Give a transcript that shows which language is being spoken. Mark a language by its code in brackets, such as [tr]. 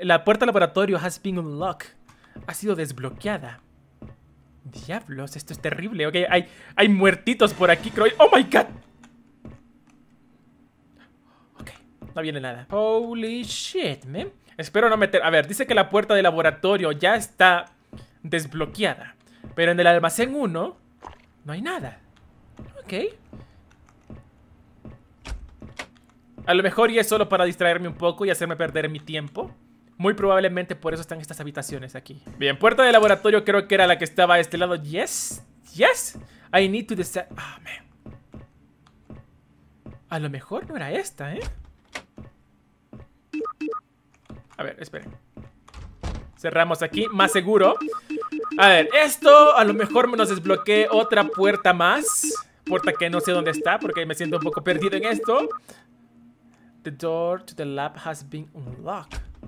[es] La puerta al laboratorio [en] has been unlocked. [es] Ha sido desbloqueada. Diablos, esto es terrible. Ok, hay muertitos por aquí, creo. [en] ¡Oh, my God! [es] Ok, no viene nada. [en] Holy shit, man. [es] Espero no meter... A ver, dice que la puerta del laboratorio ya está desbloqueada. Pero en el almacén 1 no hay nada. Ok. A lo mejor y es solo para distraerme un poco y hacerme perder mi tiempo. Muy probablemente por eso están estas habitaciones aquí. Bien, puerta del laboratorio creo que era la que estaba a este lado. [en] Yes, yes. I need to decide. Ah, oh, man. [es] A lo mejor no era esta, ¿eh? A ver, esperen. Cerramos aquí, más seguro. A ver, esto a lo mejor nos desbloquee otra puerta más. Puerta que no sé dónde está porque me siento un poco perdido en esto. [en] The door to the lab has been unlocked.